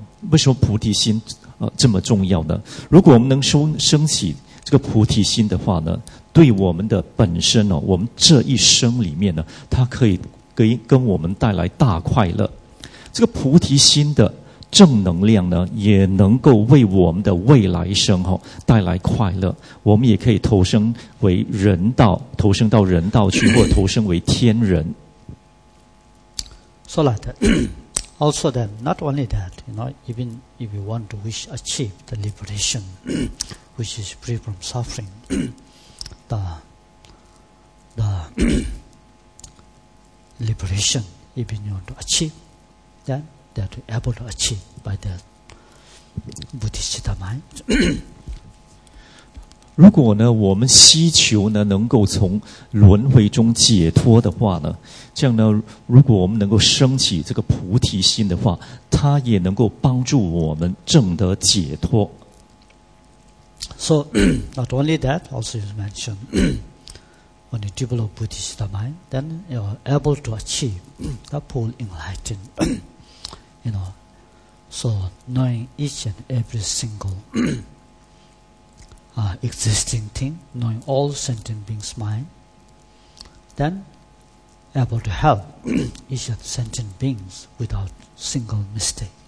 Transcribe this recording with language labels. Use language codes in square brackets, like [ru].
[zh] 为什么菩提心这么重要呢？如果我们能升起这个菩提心的话呢，对我们的本身呢，我们这一生里面呢，它可以跟我们带来大快乐。这个菩提心的正能量呢，也能够为我们的未来生哈带来快乐。我们也可以投生为人道，投生到人道去，或投生为天人。 [en] So like that. Also then, not only that, you know, even if you want to wish achieve the liberation, which is free from suffering, the liberation, even you want to achieve, then they are able to achieve by the Buddhist mind. [zh] 如果呢，我们希求呢，能够从轮回中解脱的话呢，这样呢，如果我们能够升起这个菩提心的话，它也能够帮助我们证得解脱。 [en] So, not only that, also you mentioned. When you develop Buddhist mind, then you are able to achieve the full enlightenment. You know, so knowing each and every single existing thing, knowing all sentient beings' mind, then able to help each and sentient beings without single mistake.